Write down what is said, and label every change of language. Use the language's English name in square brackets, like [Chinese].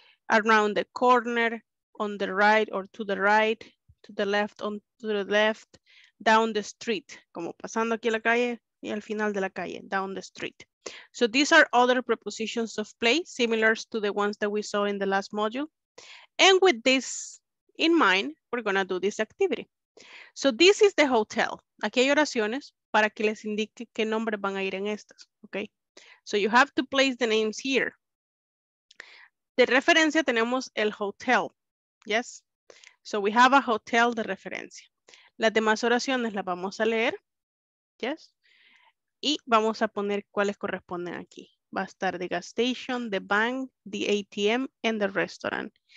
[English] Around the corner, on the right or to the right, to the left, on to the left, down the street, [Spanish] como pasando aquí a la calle [English] y al final de la calle, down the street. So these are other prepositions of place, similar to the ones that we saw in the last module. And with this in mind, we're gonna do this activity. So this is the hotel. [Spanish] Aquí hay oraciones para que les indique qué nombre van a ir en estas, okay? [English] So you have to place the names here. [Spanish] De referencia tenemos el hotel. [English] Yes, so we have a hotel [Spanish] de referencia. Las demás oraciones las vamos a leer. Yes, y vamos a poner cuáles corresponden aquí. Va a estar [English] the gas station, the bank, the ATM, and the restaurant.